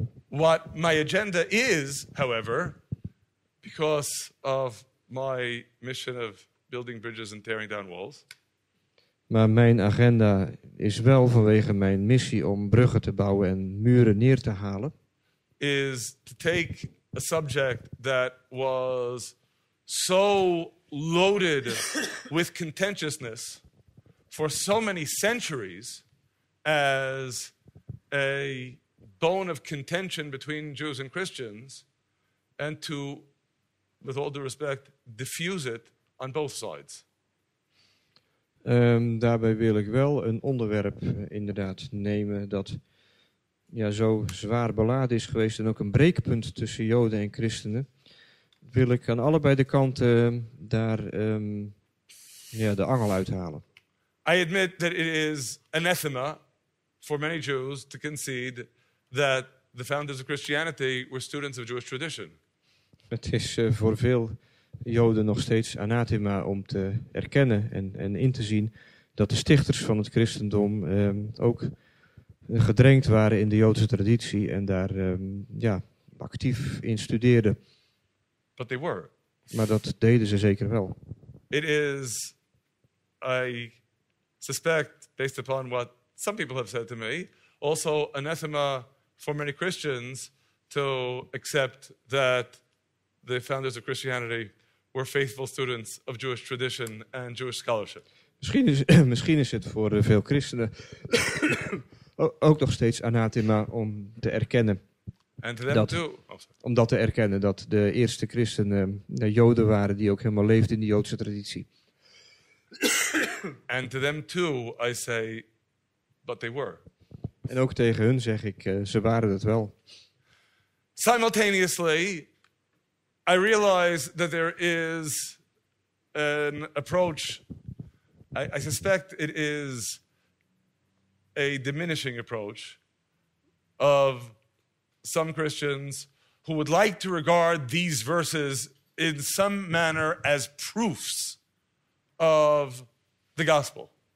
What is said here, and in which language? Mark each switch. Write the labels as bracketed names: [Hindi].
[English] What my agenda is, however, because of my mission of building bridges and tearing down walls. [Dutch] Maar mijn agenda is wel vanwege mijn missie om bruggen te bouwen en muren neer te halen. [English] Is to take a subject that was so loaded with contentiousness for so many centuries as a bone of contention between Jews and Christians, and to, with all due respect, diffuse it on both sides. [Dutch] Daarbij wil ik wel een onderwerp inderdaad nemen dat zo zwaar beladen is geweest en ook een breekpunt tussen Joden en Christenen. Wil ik aan allebei de kanten daar de angel uithalen. [English] I admit that it is anathema for many Jews to concede that the founders of Christianity were students of Jewish tradition. [Dutch] Het is voor veel Joden nog steeds anathema om te erkennen en in te zien dat de stichters van het christendom ook gedrenkt waren in de Joodse traditie en daar actief in studeerden. [English] But they were. [Dutch] Maar dat deden ze zeker wel. [English] It is, I suspect, based upon what some people have said to me, also anathema for many Christians to accept that the founders of Christianity were faithful students of Jewish tradition and Jewish scholarship. [Dutch] Misschien is het voor veel christenen ook nog steeds anathema om te erkennen. [English] And to them dat, too. Oh, [Dutch] om dat te erkennen dat de eerste christenen de Joden waren die ook helemaal leefden in de Joodse traditie. [English] And to them too, I say, but they were. [Dutch] En ook tegen hun zeg ik, ze waren dat wel. [English] Simultaneously, I realize that there is an approach. I suspect it is a diminishing approach of some Christians who would like to regard these verses in some manner as proofs of the gospel.